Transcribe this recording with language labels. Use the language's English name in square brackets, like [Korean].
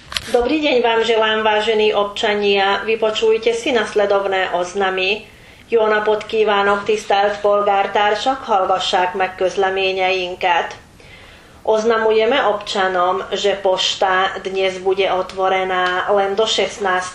[Slovak] Dobrý deň vám želám, vážení občania. Vypočujte si nasledovné oznamy. [Hungarian] Jó napot kívánok, tisztelt polgártársak, hallgassák meg közleményeinket. [Slovak] Oznamujeme občanom, že pošta dnes bude otvorená len do 16.